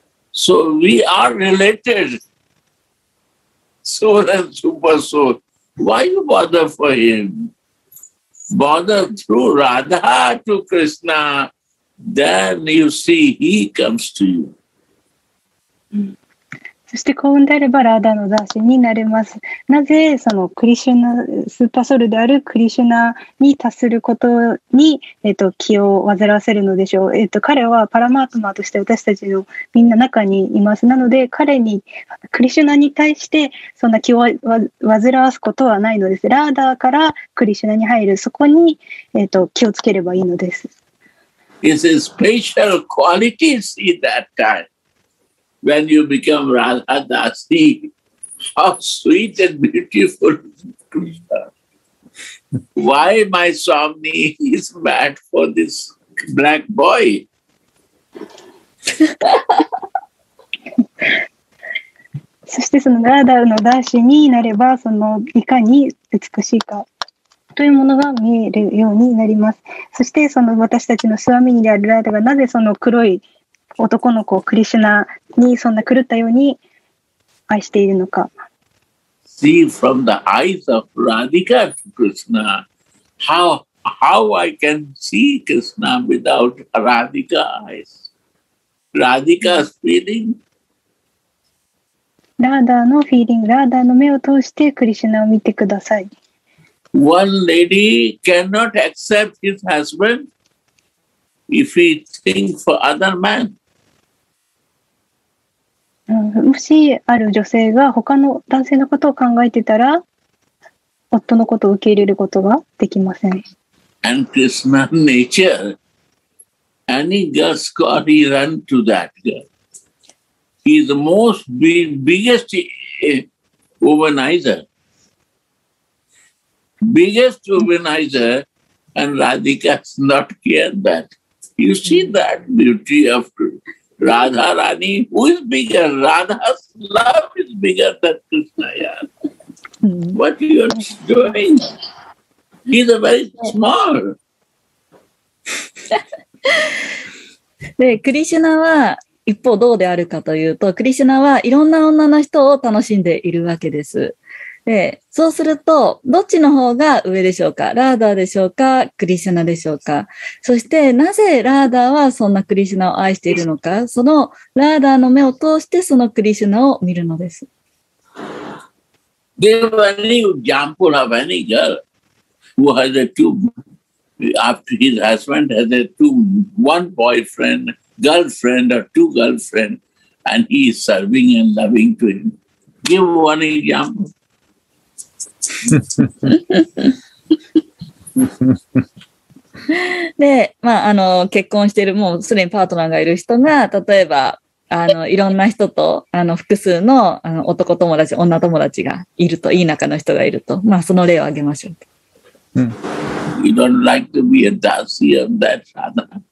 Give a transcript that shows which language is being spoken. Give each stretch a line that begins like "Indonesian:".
English: So we are related, soul and super soul. why you bother for him? Bother through Radha to Krishna, then you see he comes to you.
Japanese: そして幸運であればラーダの雑誌になれます。なぜそのクリシュナスーパーソウルであるクリシュナに達することに、気を煩わせるのでしょう。彼はパラマートマーとして私たちのみんな中にいます。なので彼にクリシュナに対してそんな気を煩わすことはないのです。ラーダからクリシュナに入る、そこに、気をつければいいのです。
English: It's a special quality see that time. When you become Radha Dasi, how sweet and beautiful Krishna. Why my Swami is mad for this black boy?
Japanese: そしてそのラダのダシになれば、そのいかに美しいかというものが見えるようになります。そしてその私たちのスワミニであるラダがなぜその黒い男の子クリシュナにそんな狂ったように愛しているのか。
English: See from the eyes of Radhika to Krishna, how I can see Krishna without Radhika eyes? Radhika's feeling?
Japanese: ラーダーのフィーリング、ラーダーの目を通してクリシュナを見てください。
English: One lady cannot accept his husband if he thinks for other men.
Japanese: もしある女性が他の男性のことを考えてたら、夫のことを受け入れることができません。
English: And Krishna nature, any girl's quality run to that girl. He's the most biggest womanizer. Biggest womanizer, and Radhika's not here that. You see that beauty of Krishna. Radha Rani, who is bigger? Radha's love is bigger than Krishna. What you are doing? He's a very small.
Japanese: で、クリシュナは一方どうであるかというと、クリシュナはいろんな女の人を楽しんでいるわけです。で、そうするとどっちの方が上でしょうか、ラーダーでしょうか、クリシュナでしょうか。そしてなぜラーダーはそんなクリシュナを愛しているのか、そのラーダーの目を通してそのクリシュナを見るのです。
English: Give any example of any girl who has a two after his husband has a two one boyfriend girlfriend or two girlfriend and he is serving and loving to him. Give one example.
Japanese: で、まあ、結婚してる、もうすでにパートナーがいる人が、例えばいろんな人と複数 の男友達、女友達がいると、いい仲の人がいると、まあその例を挙げましょう。うん、
English: You don't like to be a Dasi of that father.